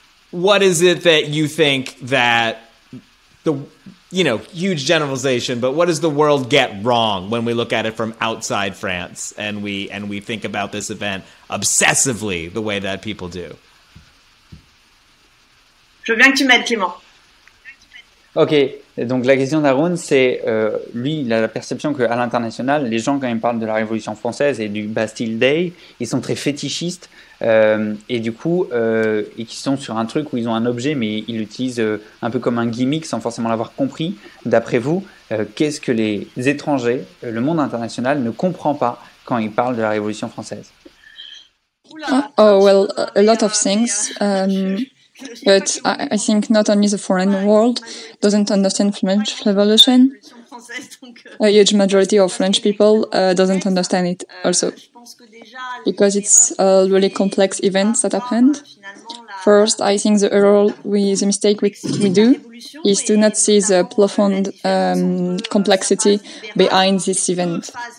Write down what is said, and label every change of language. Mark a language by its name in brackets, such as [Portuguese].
[English] What is it that you think that the, you know, huge generalization, but what does the world get wrong when we look at it from outside France and we think about this event obsessively the way that people do? [French] Je veux bien que tu m'aides, Clément. Ok, donc la question d'Aaron, c'est lui, il a la perception qu'à l'international, les gens, quand ils parlent de la Révolution française et du Bastille Day, ils sont très fétichistes et du coup, et qu'ils sont sur un truc où ils ont un objet, mais ils l'utilisent un peu comme un gimmick sans forcément l'avoir compris. D'après vous, qu'est-ce que les étrangers, le monde international, ne comprend pas quand ils parlent de la Révolution française? [English] Oh, a lot of things. But I think not only the foreign world doesn't understand French Revolution. A huge majority of French people doesn't understand it also. because it's a really complex event that happened. First, I think the error, the mistake we do is to not see the profound complexity behind this event.